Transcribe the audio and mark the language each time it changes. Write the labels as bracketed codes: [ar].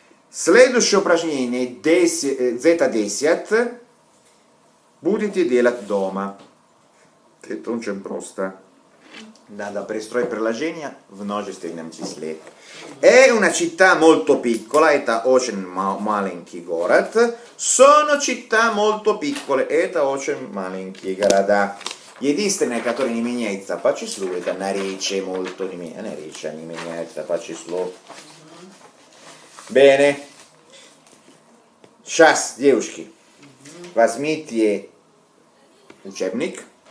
[ru] Следующее упражнение, Z10, будете делать дома. Это очень просто. Надо пристроить приложение в множественном числе. [it] È una città molto piccola, [ru] это очень маленький город. [it] Sono città molto piccole, [ru] это очень маленькие города. Единственное, которое не меняется по числу, это наречие molto не меняется. Наречие не меняется по числу. [it] Bene. [ru] Сейчас, девушки, возьмите учебник.